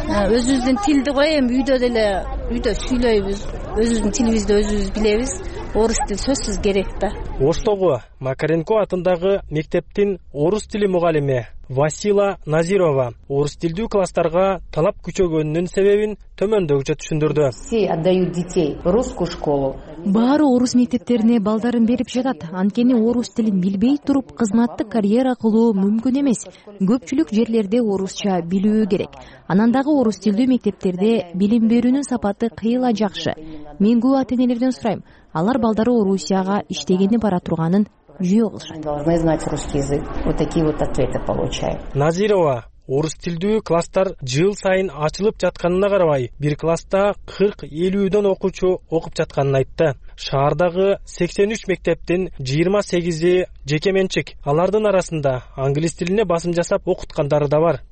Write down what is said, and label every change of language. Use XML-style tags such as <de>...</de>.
<ky>Өзүбүздүн тилди кой, эми үйдө деле үйдө сүйлөйбүз. Өзүбүздүн тилибизди өзүбүз билебиз. Орус тил сөзсүз керек да. Оштогу Макаренко атындагы мектептин орус тили мугалими Васила Назирова орус тилдүү класстарга талап күчөгөнүнүн себебин төмөндөгүчө түшүндүрдү.</ky> <ru>Все отдают детей в русскую школу.</ru> <ky>Баары орус мектептерине балдарын берип жатат. Анткени орус тилин билбей туруп кызматтык карьера кылуу мүмкүн эмес. Көпчүлүк жерлерде орусча билүү керек. Анан дагы орус тилдүү мектептерде билим берүүнүн сапаты кыйла жакшы. Мен көп ата-энелерден сурайм. Алар балдары Орусияга иштегени бара турганын жүйө кылышат.</ky> <ru>Должны знать русский язык. Вот такие вот ответы получаем.</ru> <ky>Назирова, орус тилдүү класстар жыл сайын ачылып жатканына карабай, бир класста 40-50 окуучу окуп жатканын айтты. Шаардагы 83 мектептин 28-и жеке менчик. Алардын арасында англис тилине басым жасап окуткандары да бар.</ky>